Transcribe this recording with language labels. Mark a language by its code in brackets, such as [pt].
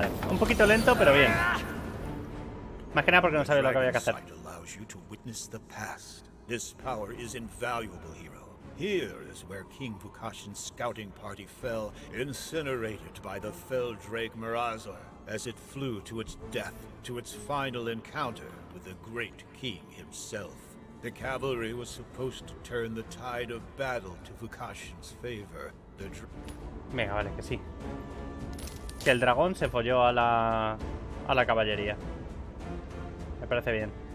[es] Un poquito lento, pero bien. Más que nada porque no sabía lo que había que hacer. [en] Allows you to witness the past. This power is invaluable, hero. Here is where King Vukashin's scouting party fell, incinerated by the fell drake Mirazor, as it flew to its death, to its final encounter with the great king himself. The cavalry was supposed to turn the tide of battle to Vukashin's favor. [es] The Venga, vale, que sí. Que el dragón se folló a la caballería. Me parece bien.